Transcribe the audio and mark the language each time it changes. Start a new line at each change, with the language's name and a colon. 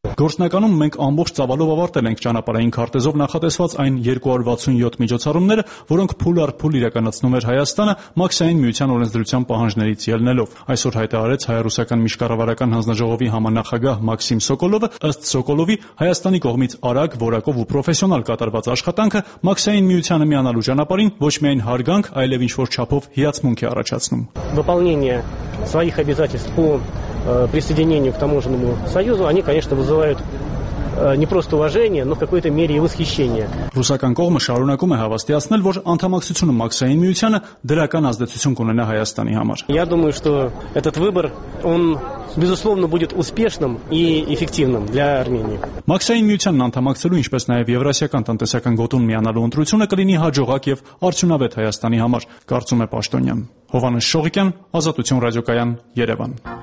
Armenian: Գործնականում մենք ամբողջ ծավալով ավարտել ենք ճանապարհային քարտեզով նախատեսված այն 267 միջոցառումները, որոնք փուլ առ փուլ իրականացնում էր Հայաստանը Մաքսային միության օրենսդրության պահանջներից ելնելով։ Այսօր հայտարարեց հայ-ռուսական միջկառավարական հանձնաժողովի համանախագահ Մաքսիմ Սոկոլովը, ըստ Սոկոլովի, Հայաստանի կողմից արագ, որակով ու պրոֆեսիոնալ կատարված աշխատանքը Մաքսային միությանը միանալու ճանապարհին ոչ միայն հարգանք, այլև ինչ-որ չափով հիացմունք է առաջացնում։
Russian: Выполнение своих обязательств по присоединению к таможенному союзу, они, конечно, вызывают не просто уважение, но в какой-то мере и восхищение.
Armenian: Ռուսական կողմը շարունակում է հավաստիացնել, որ անդամակցությունը Մաքսային միությանը դրական ազդեցություն կունենա Հայաստանի համար։
Russian: Я думаю, что этот выбор, он безусловно будет успешным и эффективным для Армении.
Armenian: Մաքսային միությանն անդամակցելու, ինչպես նաև Եվրասիական տնտեսական գոտուն միանալու ընտրությունը կլինի հաջողակ եւ արդյունավետ Հայաստանի համար, կարծում է Պաշտոնյան։ Հովանես Շողիկյան, Ազատություն ռադիոկայան, Երևան։